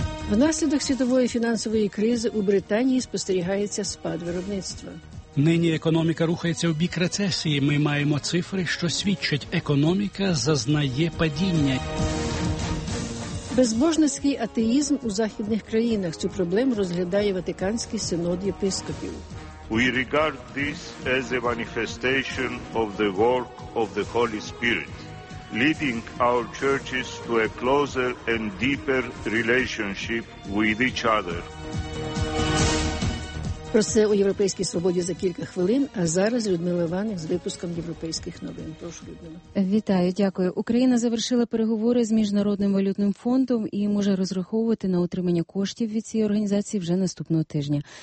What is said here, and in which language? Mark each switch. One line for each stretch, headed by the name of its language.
Ukrainian: Внаслідок світової фінансової кризи у Британії спостерігається спад виробництва. Нині економіка рухається в бік рецесії. Ми маємо цифри, що свідчать, економіка зазнає падіння. Безбожницький атеїзм у західних країнах. Цю проблему розглядає Ватиканський синод єпископів.
English: We regard this as a manifestation of the work of the Holy Spirit, leading our churches to a closer and deeper relationship with each other.
Ukrainian: Про це у Європейській свободі за кілька хвилин, а зараз Людмила Ваник з випуском європейських новин. Прошу, Людмила. Вітаю, дякую. Україна завершила переговори з Міжнародним валютним фондом і може розраховувати на отримання коштів від цієї організації вже наступного тижня.